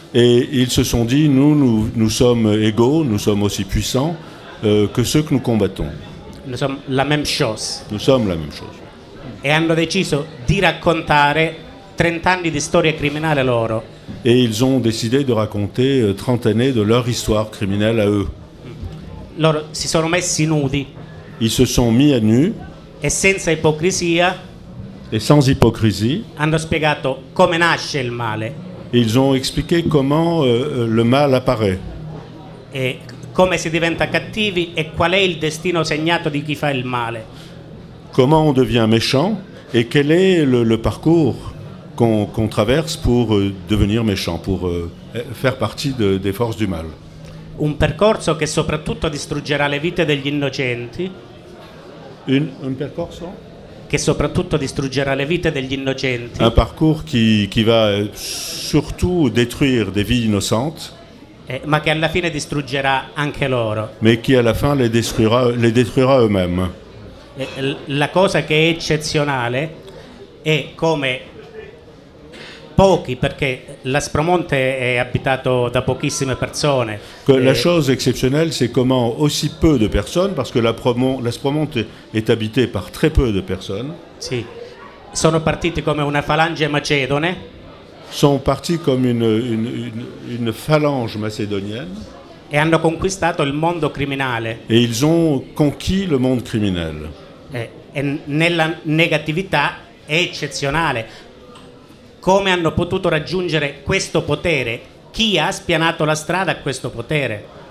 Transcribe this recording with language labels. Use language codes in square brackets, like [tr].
[fr] Et ils se sont dit: nous sommes égaux, nous sommes aussi puissants que ceux que nous combattons. Nous sommes la même chose. Nous sommes la même chose. [it] E hanno deciso di raccontare 30 anni di storia criminale loro. [fr] Et ils ont décidé de raconter 30 années de leur histoire criminelle à eux. [it] Loro si sono messi nudi. [fr] Ils se sont mis à nu. [it] E senza ipocrisia. [fr] Et sans hypocrisie. [it] Hanno spiegato come nasce il male. [fr] Ils ont expliqué comment le mal apparaît. [it] E come si diventa cattivi e qual è il destino segnato di chi fa il male. [fr] Comment on devient méchant et quel est le parcours qu'on traverse pour devenir méchant, pour faire partie des forces du mal. [it] Un percorso che soprattutto distruggerà le vite degli innocenti. Un percorso? Che soprattutto distruggerà le vite degli innocenti. [fr] Un parcours qui va surtout détruire des vies innocentes. [it] Ma che alla fine distruggerà anche loro. [fr] Mais qui à la fin les détruira eux-mêmes. [it] La cosa che è eccezionale è come pochi, perché l'Aspromonte è abitato da pochissime persone. [fr] La chose exceptionnelle c'est comment aussi peu de personnes, parce que l'Aspromonte est habité par très peu de personnes. [it] Sì. Sono partiti come una falange macedone. [fr] Sont partis comme une phalange macédonienne. [it] E hanno conquistato il mondo criminale. [fr] Et ils ont conquis le monde criminel. [it] E nella negatività è eccezionale. Come hanno potuto raggiungere questo potere? Chi ha spianato la strada a questo potere?